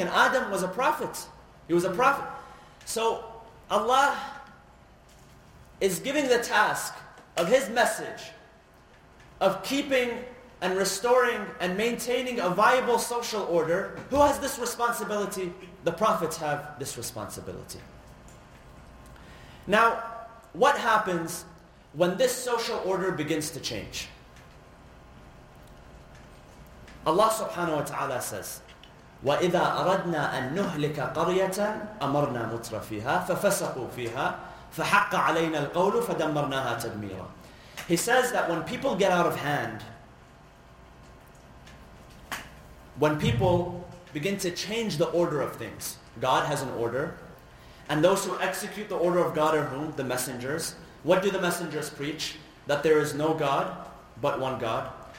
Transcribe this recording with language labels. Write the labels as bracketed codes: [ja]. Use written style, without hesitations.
[en] And Adam was a prophet. He was a prophet. So Allah is giving the task of His message of keeping and restoring and maintaining a viable social order. Who has this responsibility? The prophets have this responsibility. Now, what happens when this social order begins to change? Allah subhanahu wa ta'ala says, [ar] وَإِذَا أَرَدْنَا أَن نُهْلِكَ قَرْيَةً أَمَرْنَا مُتْرَفِيهَا فَفَسَقُوا فِيهَا فَحَقَّ عَلَيْنَا الْقَوْلُ فَدَمَّرْنَاهَا تَدْمِيرًا. [en] He says that when people get out of hand, when people begin to change the order of things, God has an order, and those who execute the order of God are whom? The messengers. What do the messengers preach? That there is no God but one God.